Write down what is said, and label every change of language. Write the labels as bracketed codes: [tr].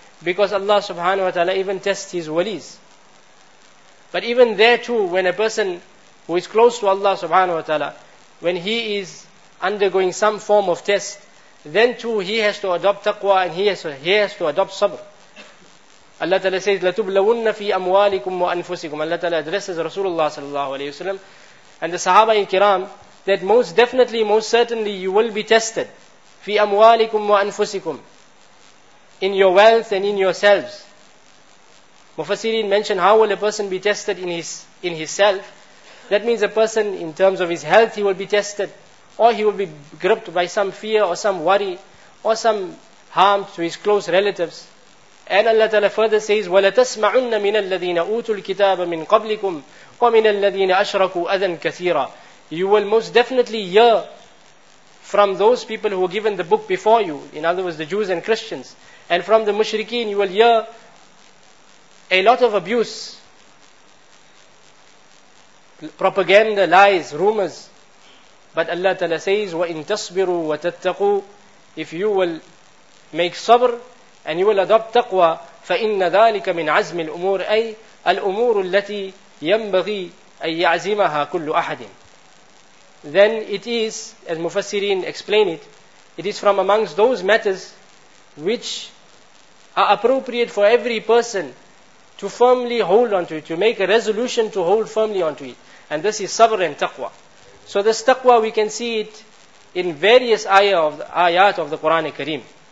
[en] Because Allah subhanahu wa ta'ala even tests his walis. But even there too, when a person who is close to Allah subhanahu wa ta'ala, when he is undergoing some form of test, then too he has to adopt taqwa and he has to adopt sabr. Allah Ta'ala says, [ar] لَتُبْلَوُنَّ فِي أَمْوَالِكُمْ وَأَنفُسِكُمْ. [en] Allah Ta'ala addresses Rasulullah sallallahu alayhi wa sallam and the Sahaba in Kiram, that most definitely, most certainly you will be tested. [ar] فِي أَمْوَالِكُمْ وَأَنفُسِكُمْ. [en] In your wealth and in yourselves. Mufassirin mentioned, how will a person be tested in his self? That means a person in terms of his health, he will be tested. Or he will be gripped by some fear or some worry or some harm to his close relatives. And Allah Ta'ala further says, [ar] وَلَتَسْمَعُنَّ مِنَ الَّذِينَ أُوتُوا الْكِتَابَ مِنْ قَبْلِكُمْ وَمِنَ الَّذِينَ أَشْرَكُوا أَذًا كَثِيرًا. [en] You will most definitely hear from those people who were given the book before you. In other words, the Jews and Christians. And from the mushrikeen you will hear a lot of abuse, propaganda, lies, rumors. But Allah Ta'ala says, [ar] وَإِن تَصْبِرُوا وَتَتَّقُوا, [en] if you will make sabr and you will adopt taqwa, [ar] فَإِنَّ ذَلِكَ مِنْ عَزْمِ الْأُمُورِ أَيْ الْأُمُورُ الَّتِي يَنْبَغِي أَيْ يَعْزِمَهَا كُلُّ أَحَدٍ. [en] Then it is, as Mufassirin explain it, it is from amongst those matters which are appropriate for every person to firmly hold onto it, to make a resolution to hold firmly onto it. And this is sabr and taqwa. So this taqwa, we can see it in various ayat of the Quran al-Kareem.